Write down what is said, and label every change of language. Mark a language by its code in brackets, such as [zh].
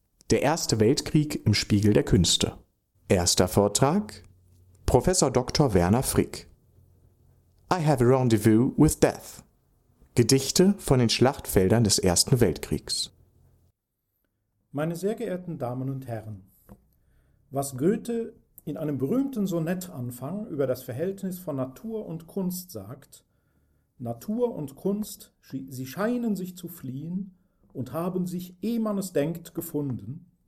[de] Der Erste Weltkrieg im Spiegel der Künste. Erster Vortrag: Professor Dr. Werner Frick. [en] I have a rendezvous with death. [de] Gedichte von den Schlachtfeldern des Ersten Weltkriegs. Meine sehr geehrten Damen und Herren, was Goethe in einem berühmten Sonettanfang über das Verhältnis von Natur und Kunst sagt: Natur und Kunst, sie scheinen sich zu fliehen und haben sich, ehe man es denkt, gefunden.